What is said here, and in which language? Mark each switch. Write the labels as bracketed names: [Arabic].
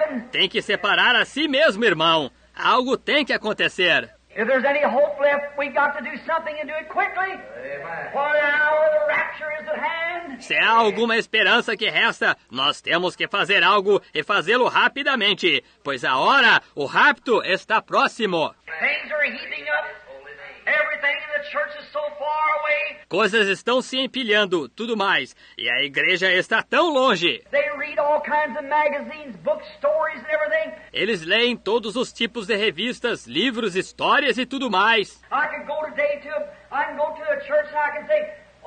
[Portuguese] Tem que separar a si mesmo, irmão. Algo tem que acontecer. [English] If there's any hope left, we got to do something and do it quickly. For now, the rapture is at hand. [Portuguese] Se há alguma esperança que resta, nós temos que fazer algo e fazê-lo rapidamente, pois a hora, o rapto, está próximo. [English] Things are heating up. Everything in the church is so far away. [Portuguese] Coisas estão se empilhando, tudo mais, e a igreja está tão longe. [English] They read all kinds of magazines, books, stories and everything. [Portuguese] Eles leem todos os tipos de revistas, livros, histórias e tudo mais. [English] I can go today to a church and I can say,